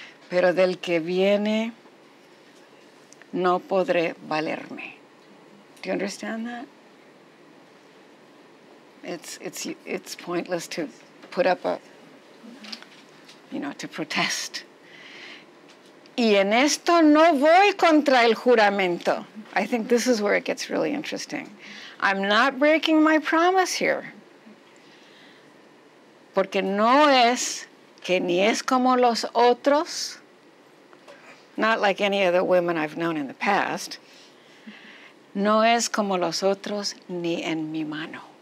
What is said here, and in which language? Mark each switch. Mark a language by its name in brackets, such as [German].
[Spanish] Pero del que viene, no podré valerme. [English] Do you understand that? It's pointless to put up a, you know, to protest. [Spanish] Y en esto no voy contra el juramento. [English] I think this is where it gets really interesting. I'm not breaking my promise here. [Spanish] Porque no es que ni es como los otros, [English] not like any of the women I've known in the past, [Spanish] no es como los otros ni en mi mano.